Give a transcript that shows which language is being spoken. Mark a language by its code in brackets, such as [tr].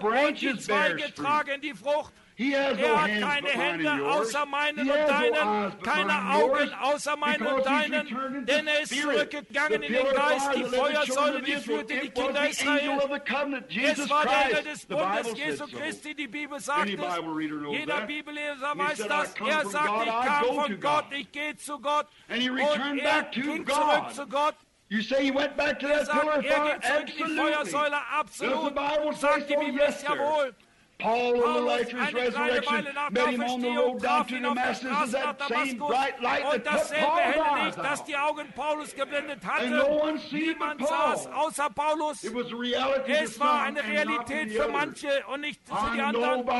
[de] Und die Zweige tragen die Frucht. Er hat keine Hände außer meinen und deinen, keine Augen außer meinen und deinen, denn er ist zurückgegangen in den Geist, die Feuersäule, die führte die Kinder Israel. Es war der Engel des Bundes, Jesu Christi, die Bibel sagt es. Jeder Bibelleser weiß das. Er sagt, ich kam von Gott, ich gehe zu Gott. Und er ging zurück zu Gott. [en] You say he went back to that pillar of fire? Absolutely. Does the Bible say so? Yes, sir. [de] Paulus, eine kleine Weile nach der Verstehung, traf ihn auf der Straße nach Damaskus und dasselbe helle Licht, das die Augen Paulus geblendet hatte. Niemand sah es außer Paulus. Es war eine Realität für manche und nicht für die anderen.